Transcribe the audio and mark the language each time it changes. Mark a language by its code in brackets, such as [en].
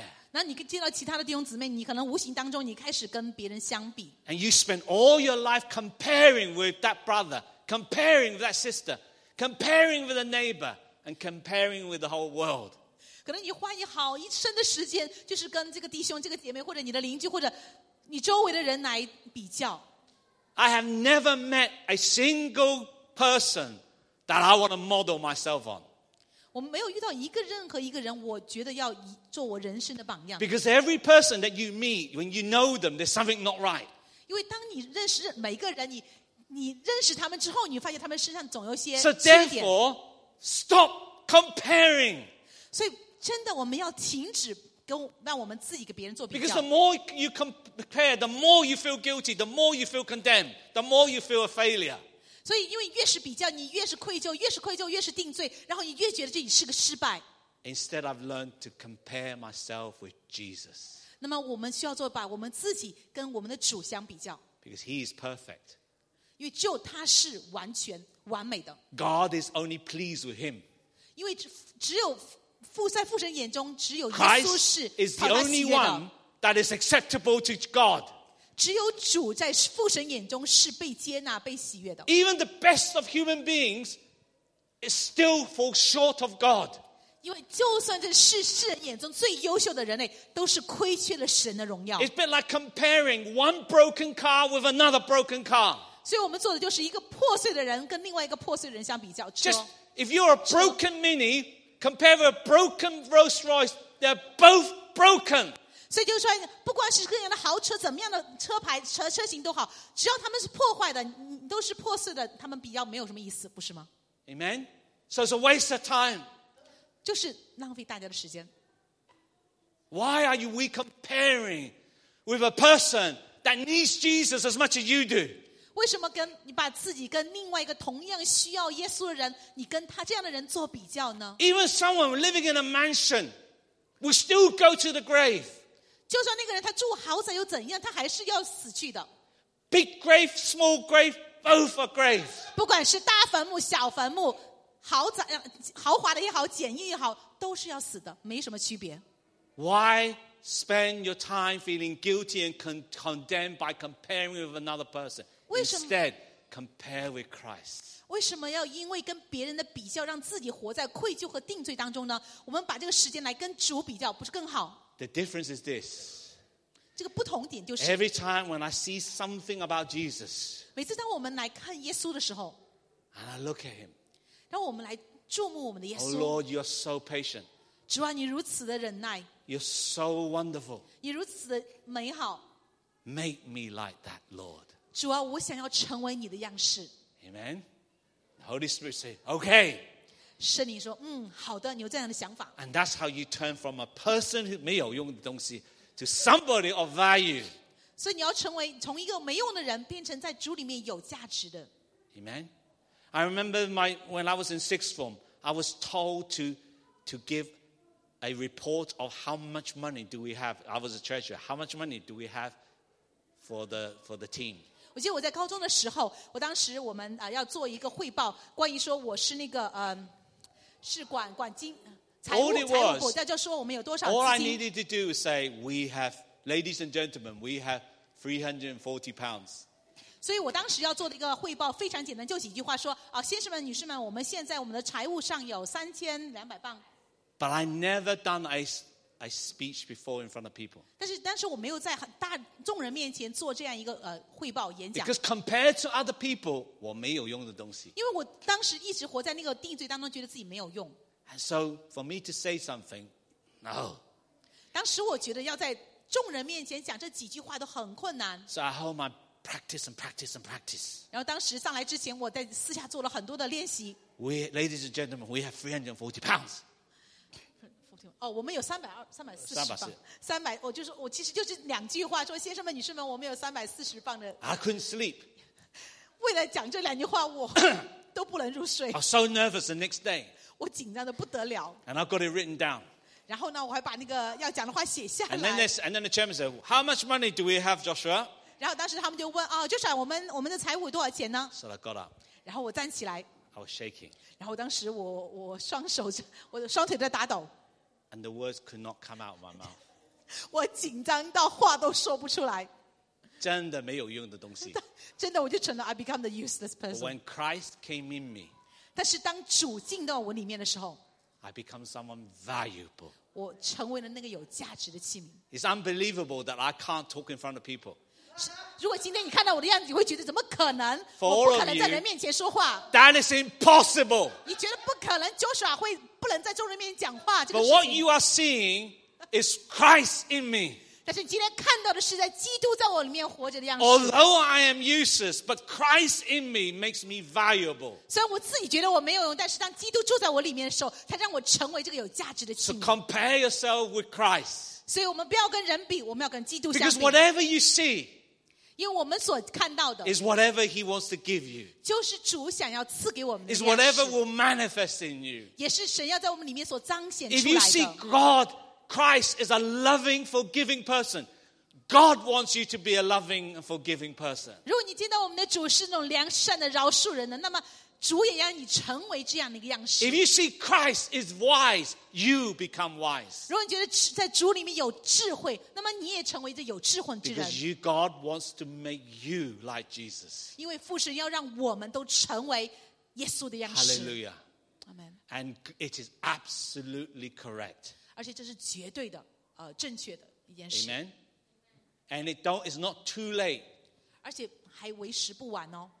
[zh] 那你见到其他的弟兄姊妹，你可能无形当中你开始跟别人相比。 [en] And you spend all your life comparing with that brother, comparing with that sister, comparing with a neighbor, and comparing with the whole world. [zh] 可能你花你好一生的时间，就是跟这个弟兄、这个姐妹，或者你的邻居，或者你周围的人来比较。 [en] I have never met a single person that I want to model myself on. [zh] 我没有遇到任何一个人，我觉得要做我人生的榜样。 [en] Because every person that you meet, when you know them, there's something not right. [zh] 因为当你认识每个人，你认识他们之后，你发现他们身上总有些缺 [en] 点。So therefore, stop comparing. [zh] 所以真的，我们要停止。让我们自己给别人做比较。 [en] Because the more you compare, the more you feel guilty, the more you feel condemned, the more you feel a failure. [zh] 所以，因为越是比较，你越是愧疚，越是愧疚，越是定罪，然后你越觉得自己是个失败。 [en] Instead, I've learned to compare myself with Jesus. [zh] 那么，我们需要做把我们自己跟我们的主相比较。 [en] Because He is perfect. [zh] 因为只有他是完全完美的。 [en] God is only pleased with Him. [zh] 因为只有。在父神眼中只有耶稣是讨他喜悦的 [en] Christ is the only one that is acceptable to God [zh] 只有主在父神眼中是被接纳被喜悦的 [en] Even the best of human beings is still fall short of God [zh] 因为就算这是世人眼中最优秀的人类都是亏缺了神的荣耀 [en] It's a bit like comparing one broken car with another broken car [zh] 所以我们做的就是一个破碎的人跟另外一个破碎的人相比较 [en] Just if you're a broken miniCompare with a broken Rolls Royce, they're both broken. [zh] 所以就是说，不管是各样的豪车，怎么样的车牌、车型都好，只要他们是破坏的，都是破碎的，他们比较没有什么意思，不是吗 [en] ？Amen. So it's a waste of time. [zh] 就是浪费大家的时间。 [en] Why are we comparing with a person that needs Jesus as much as you do? [zh] 为什么跟你把自己跟另外一个同样需要耶稣的人，你跟他这样的人做比较呢 [en] ？Even someone living in a mansion will still go to the grave. [zh] 就算那个人他住豪宅又怎样，他还是要死去的。 [en] Big grave, small grave, both are grave. [zh] 不管是大坟墓、小坟墓，豪宅豪华的也好，简易也好，都是要死的，没什么区别。 [en] Why spend your time feeling guilty and condemned by comparing with another person? Instead, compare with Christ? [zh] 为什么要因为跟别人的比较，让自己活在愧疚和定罪当中呢？我们把这个时间来跟主比较，不是更好？ [en] The difference is this. [zh] 这个不同点就是 [en] Every time when I see something about Jesus, [zh] 每次当我们来看耶稣的时候 [en] and I look at him, [zh] 让我们来注目我们的耶稣。 [en] Oh Lord, you are so patient. [zh] 主啊，你如此的忍耐。 [en] You're so wonderful. [zh] 你如此的美好。 [en] Make me like that, Lord. [zh] 主啊，我想要成为你的样式。 [en] Amen. Holy Spirit say, okay. [zh] 圣灵说，好的，你有这样的想法。 [en] And that's how you turn from a person who [zh] 没有用的东西 [en] to somebody of value. [zh] 所以你要成为从一个没用的人变成在主里面有价值的。 [en] Amen. I remember when I was in sixth form, I was told to give a report of how much money do we have. I was a treasurer. How much money do we have for the team? [zh] 我记得我在高中的时候，我当时我们要做一个汇报，关于说我是那个是管金财务 [en] All it was, [zh] 财务部，就说我们有多少资金。 [en] All I needed to do is say we have, ladies and gentlemen, we have £340. [zh] 所以我当时要做的一个汇报非常简单，就几句话说啊，先生们、女士们，我们现在我们的财务上有£3,200。 [en] But I never done a speech before in front of people. [zh] 但是我没有在很大众人面前做这样一个汇报演讲。 [en] Because compared to other people, [zh] 我没有用的东西。因为我当时一直活在那个定罪当中，觉得自己没有用。 [en] And so for me to say something, no. [zh] 当时我觉得要在众人面前讲这几句话都很困难。 [en] So I hold my practice and practice and practice. [zh] 然后当时上来之前，我在私下做了很多的练习。 [en] Ladies and gentlemen, we have £340. [zh] Oh, 我们有340磅，我就是我其实就是两句话说，先生们、女士们，我们有340磅的。 [en] I couldn't sleep. [zh] 为了讲这两句话，我都不能入睡。 [en] I was so nervous the next day. [zh] 我紧张的不得了。 [en] And I got it written down. [zh] 然后呢，我还把那个要讲的话写下来。 [en] And then the chairman said, "How much money do we have, Joshua?" [zh] 然后当时他们就问啊、哦、，Joshua, 我们的财务多少钱呢 [en] ？So I got up. [zh] 然后我站起来。 [en] I was shaking. [zh] 然后当时我双手我的双腿在打抖。 [en] And the words could not come out of my mouth. [zh] 我紧张到话都说不出来。真的没有用的东西。真的我就成了 [en] I become the useless person. But when Christ came in me, [zh] 但是当主进到我里面的时候 [en] I become someone valuable. [zh] 我成为了那个有价值的器皿。 [en] It's unbelievable that I can't talk in front of people. [zh] 如果今天你看到我的样子，你会觉得怎么可能？ [en] For all of you, [zh] 我不可能在人面前说话。 [en] That is impossible. [zh] 你觉得不可能 ，Joshua 会。不能在众人面前讲话、这个、 [en] But what you are seeing is Christ in me. [zh] 但是你今天看到的是在基督在我里面活着的样子。 [en] Although I am useless, but Christ in me makes me valuable. [zh] 虽然我自己觉得我没有用，但是当基督住在我里面的时候，才让我成为这个有价值的器皿。 [en] So compare yourself with Christ. [zh] 所以我们不要跟人比，我们要跟基督相比。 [en] Because whatever you see, [zh] 因为我们所看到的 [en] is whatever He wants to give you. [zh] 就是主想要赐给我们的 [en] is whatever will manifest in you. [zh] 也是神要在我们里面所彰显出来的。 [en] If you see God, Christ is a loving, forgiving person. God wants you to be a loving, forgiving person. [zh] 如果你见到我们的主是那种良善的、饶恕人的，那么主也要你成为这样的一个样式。 [en] If you see Christ is wise, you become wise. [zh] 如果你觉得在主里面有智慧，那么你也成为这有智慧之人。 [en] Because you, God wants to make you like Jesus. [zh] 因为父神要让我们都成为耶稣的样式。 [en] Hallelujah. Amen. And it is absolutely correct. [zh] 而且这是绝对的、正确的一件事。 [en] Amen. And it's not too late. [zh] 而且还为时不晚哦。